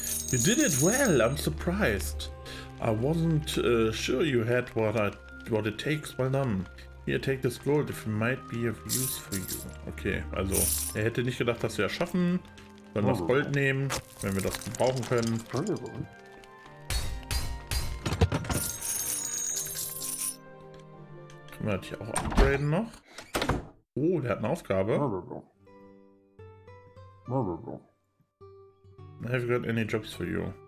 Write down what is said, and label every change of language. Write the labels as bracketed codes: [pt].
[en] You did it well, I'm surprised. I wasn't sure you had what it takes. Well done. Here, take this gold, if it might be of use for you. [de] Okay, also er hätte nicht gedacht, dass wir es schaffen. Dann das Gold nehmen, wenn wir das brauchen können. Können wir das hier auch upgraden noch? Oh, der hat eine Aufgabe. [en] I have got any jobs for you.